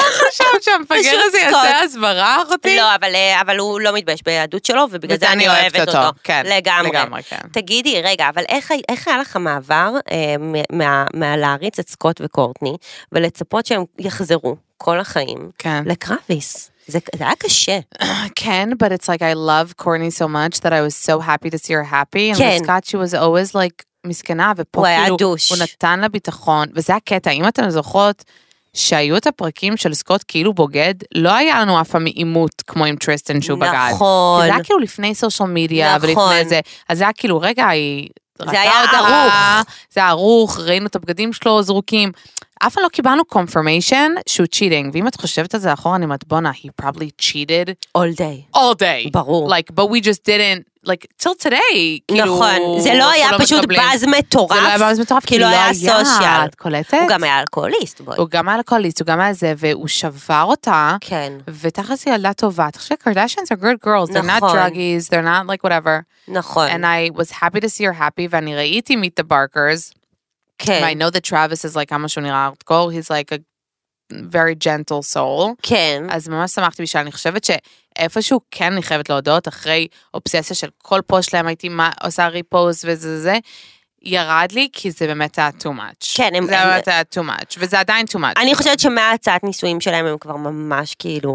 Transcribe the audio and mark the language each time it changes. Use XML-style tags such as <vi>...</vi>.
<he>שם, שם, פגר הזה יעשה הסברה אחותי. לא, אבל הוא לא מתבייש ביהדות שלו, ובגלל זה אני אוהבת אותו. לגמרי, כן. תגידי, רגע, אבל איך היה לך מעבר מלהריץ את סקוט וקורטני, ולצפות שהם יחזרו כל החיים לקרביס? זה היה קשה. כן,</he> <en>but it's like I love Courtney so much that I was so happy to see her happy. And Scott, she was always like</en> <he>מסכנה, ופה כאילו הוא נתן לה ביטחון, וזה הקטע, אם אתן זוכרות, שהיו את הפרקים של סקוט כאילו בוגד, לא היה לנו אף פעם אימות כמו עם טריסטן שהוא נכון. בגד. נכון. זה היה כאילו לפני סושל מידיה, נכון. ולפני זה, אז זה היה כאילו, רגע, היא... זה היה עוד ערוך. זה היה ערוך, ראינו את הבגדים שלו זרוקים. אף פעם לא קיבלנו confirmation שהוא cheating, ואם את חושבת את זה אחורה, אני מתבונה,</he> <en>he probably cheated. All day. All day.</en> <he>ברור.</he> <en>Like, but we just didn't, like, till today,</en> <he>כאילו... נכון, זה לא היה פשוט באז מטורף. זה לא היה באז מטורף, כי לא היה סושיאל. את קולטת? הוא גם היה אלכוהוליסט. הוא גם היה אלכוהוליסט, הוא גם היה זה, והוא שבר אותה. כן. ותכף היא ילדה טובה. אתה חושב,</he> <en>Kardashians are good girls.</en> <he>נכון.</he> <en>They're not druggies, they're not like whatever.</en> <he>נכון.</he> <en>And I was happy to see her happy,</en> <he>ואני ראיתי</he> <en>Meet the Barkers.</en> <he>כן.</he> <en>And I know that Travis is like,</en> <he>כמה שהוא נראה ארטקור,</he> <en>he's like a very gentle soul.</en> <he>כן. אז ממש שמחתי בשביל, אני חושבת שאיפשהו כן אני חייבת להודות, אחרי אובססיה של כל פוסט שלהם, הייתי עושה ריפוסט וזה זה, ירד לי, כי זה באמת היה too much. כן, זה באמת היה too much, וזה עדיין too much. אני חושבת שמהצעת ניסויים שלהם הם כבר ממש כאילו...</he>